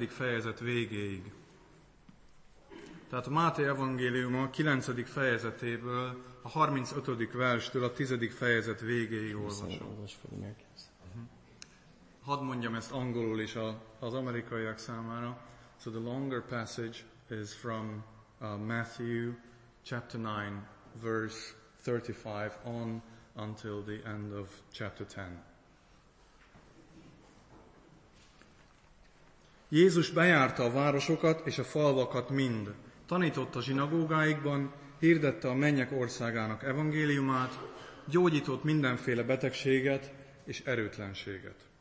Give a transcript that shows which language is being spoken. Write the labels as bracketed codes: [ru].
[hu] fejezet végéig. Tehát Máté evangéliuma 9. fejezetéből, a 35. verstől a 10. fejezet végéig olvasom. Hadd mondjam ezt angolul is az amerikaiak számára. [en] So the longer passage is from Matthew chapter 9, verse 35 on until the end of chapter 10. [hu] Jézus bejárta a városokat és a falvakat mind. Tanította zsinagógáikban, hirdette a mennyek országának evangéliumát, gyógyított mindenféle betegséget és erőtlenséget.